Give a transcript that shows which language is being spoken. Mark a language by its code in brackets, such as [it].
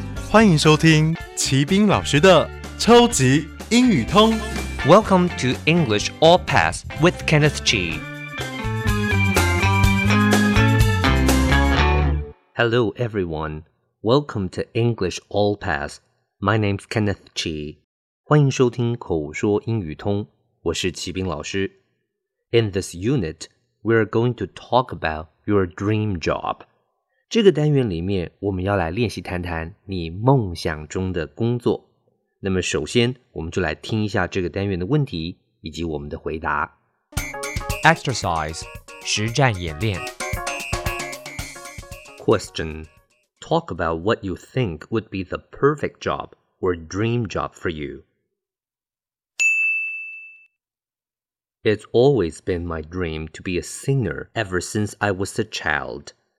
[zh] 欢迎收听齐宾老师的超级英语通。 [en] Welcome to English All Pass with Kenneth G. Hello, everyone. Welcome to English All Pass. My name's Kenneth Chi. [zh] 欢迎收听口说英语通，我是齐宾老师。 [en] In this unit, we're going to talk about your dream job. [zh] 这个单元里面，我们要来练习谈谈你梦想中的工作。那么首先，我们就来听一下这个单元的问题，以及我们的回答。 Exercise, 实战演练。 [en] Question: Talk about what you think would be the perfect job or dream job for you. It's always been my dream to be a singer ever since I was a child.